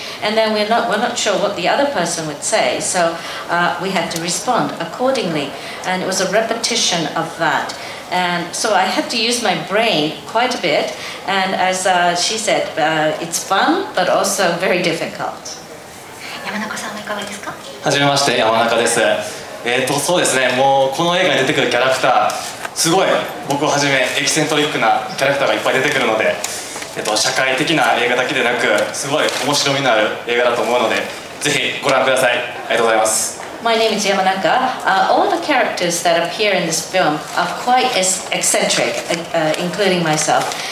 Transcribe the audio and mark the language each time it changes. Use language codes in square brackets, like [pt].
[en] And then we're not sure what the other person would say, so we had to respond accordingly. And it was a repetition of that. And so I had to use my brain quite a bit, and as she said, it's fun, but also very difficult. [ja] 山中さんはいかがですか？はじめまして、山中です。そうですね、もうこの映画に出てくるキャラクター、すごい僕をはじめエキセントリックなキャラクターがいっぱい出てくるので、社会的な映画だけでなく、すごい面白みのある映画だと思うので、ぜひご覧ください。ありがとうございます。 [en] My name is Yamanaka. All the characters that appear in this film are quite eccentric, including myself.